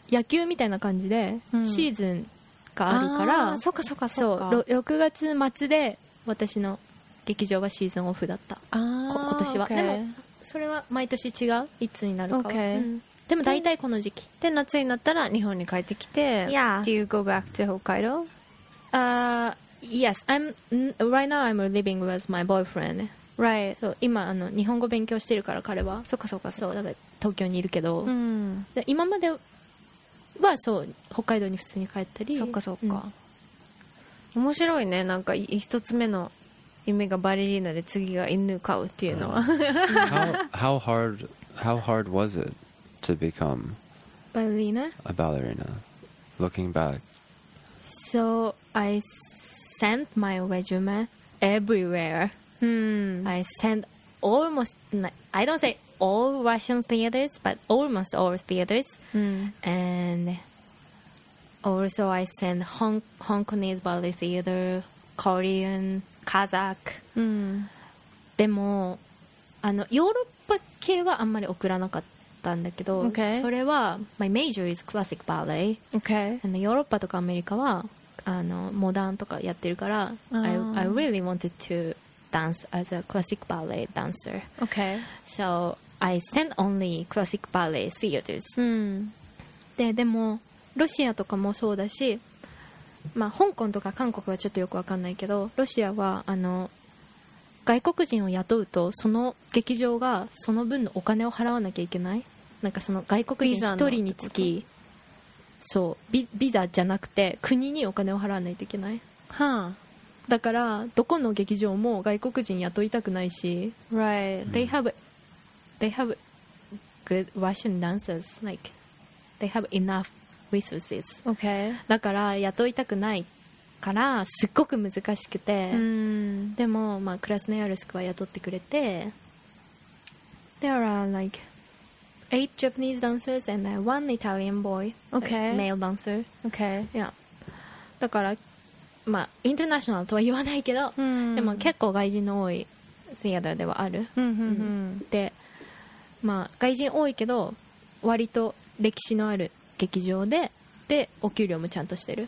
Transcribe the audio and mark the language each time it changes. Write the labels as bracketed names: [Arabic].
[Japanese] 野球みたいな感じでシーズンがあるから、うん、そうかそうかそうか、そう6月末で私の劇場はシーズンオフだった。あ、今年は、 [English] okay. [Japanese] でもそれは毎年違う、いつになるかは、 [English] okay. うん、 [Japanese] でも大体この時期で夏になったら日本に帰ってきて、 [English] yeah. Do you go back to Hokkaido? Yes, I'm right now I'm living with my boyfriend. Right. So, [Japanese] 今あの日本語勉強してるから彼は。そうかそうか。そうだから東京にいるけど。うん、で今まではそう北海道に普通に帰ったり。そうかそうか。うん、面白いね。なんか一つ目の夢がバレリーナで次が犬飼うっていうのは。 [English] How hard was it to become ballerina? A ballerina. Looking back. So I sent my resume everywhere. I sent almost, I don't say all Russian theaters, but almost all theaters. And also I sent Hong Kongese ballet theater, Korean, Kazakh. [Japanese] でもあのヨーロッパ系はあんまり送らなかったんだけど、 [English] okay. [Japanese] それは [English] my major is classic ballet. Okay. And [Japanese] ヨーロッパとかアメリカはあのモダンとかやってるから、 [English] I really wanted to dance as a classic ballet dancer. Okay. So I sent only classic ballet theaters. [Japanese] でもロシアとかもそうだし、まあ香港とか韓国はちょっとよくわかんないけど、ロシアはあの外国人を雇うとその劇場がその分のお金を払わなきゃいけない。なんかその外国人一人につき。そう ビザじゃなくて国にお金を払わないといけない、はあ、だからどこの劇場も外国人雇いたくないし、 [English] right. they have good Russian dancers, like they have enough resources、 okay. [Japanese] だから雇いたくないからすっごく難しくて、でも、まあ、クラスノヤルスクは雇ってくれて、 [English] there are likeeight Japanese dancers and one Italian boy, okay, male dancer, okay, yeah. [Japanese] だから、まあインターナショナルとは言わないけど、でも結構外人の多いシアターではある。で、まあ外人多いけど割と歴史のある劇場で、でお給料もちゃんとしてる。